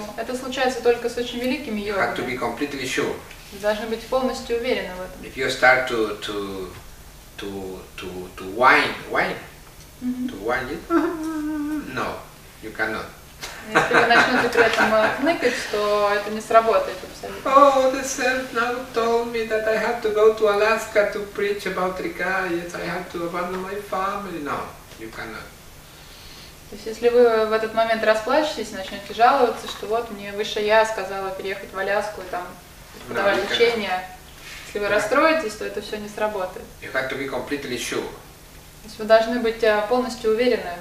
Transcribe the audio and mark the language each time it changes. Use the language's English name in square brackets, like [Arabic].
[Russian] Ну, это случается только с очень великими йогами. [English] You have to be completely sure. [Russian] Вы должны быть полностью уверены в этом. [English] If you start to whine, whine, mm-hmm. to whine it, no, you cannot. [Russian] Если вы начнете при этом ныкать, то это не сработает абсолютно. [English] Oh, the saint now told me that I have to go to Alaska to preach about Rika. Yes, I have to abandon my family. No, you cannot. [Russian] То есть, если вы в этот момент расплачетесь, начнете жаловаться, что вот мне высшая я сказала переехать в Аляску и там преподавать no, учение. Если вы расстроитесь, то это все не сработает. [English] You have to be completely sure. [Russian] То есть, вы должны быть полностью уверены.